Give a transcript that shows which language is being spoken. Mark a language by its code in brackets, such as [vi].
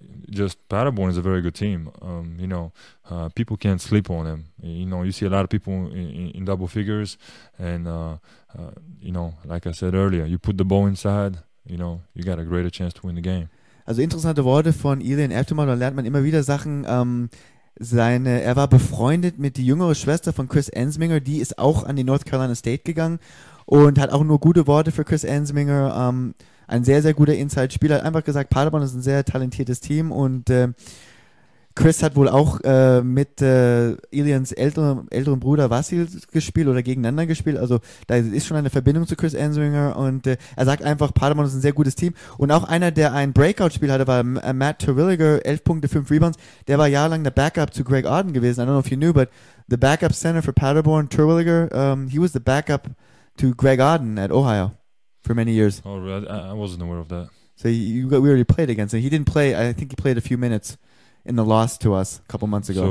[en] Just Paderborn is a very good team. You know, people can't sleep on them. You know, you see a lot of people in double figures and you know, like I said earlier, you put the ball inside, you know, you got a greater chance to win the game. [de] Also interessante Worte von Ilian Eftemann, da lernt man immer wieder Sachen. Er war befreundet mit der jüngeren Schwester von Chris Ensminger, die ist auch an die North Carolina State gegangen und hat auch nur gute Worte für Chris Ensminger. Ein sehr, sehr guter Inside-Spieler. Hat einfach gesagt, Paderborn ist ein sehr talentiertes Team und Chris hat wohl auch mit Ilians älterem Bruder Vasil gespielt oder gegeneinander gespielt. Also da ist schon eine Verbindung zu Chris Ensminger. Und er sagt einfach, Paderborn ist ein sehr gutes Team. Und auch einer, der ein Breakout-Spiel hatte, war Matt Terwilliger, 11 Punkte, 5 Rebounds. Der war jahrelang der Backup zu Greg Auden gewesen. [en] I don't know if you knew, but the backup center for Paderborn, Terwilliger, he was the backup to Greg Auden at Ohio for many years. Oh, really? I wasn't aware of that. So we already played against him. He didn't play. I think he played a few minutes in the loss to us a couple months ago.